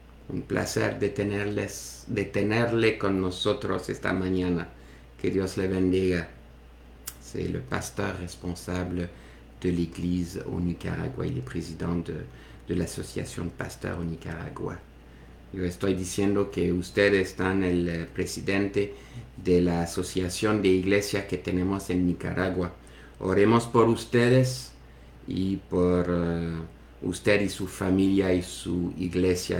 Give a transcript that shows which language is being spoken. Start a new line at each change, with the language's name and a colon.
French: Un placer de tenerle con nosotros esta mañana. Que Dios le bendiga. C'est le pasteur responsable de l'église au Nicaragua. Il est président de l'association de pasteurs au Nicaragua.
Spanish: Yo estoy diciendo que ustedes están el presidente de la asociación de iglesia que tenemos en Nicaragua. Oremos por ustedes y por usted y su familia y su iglesia.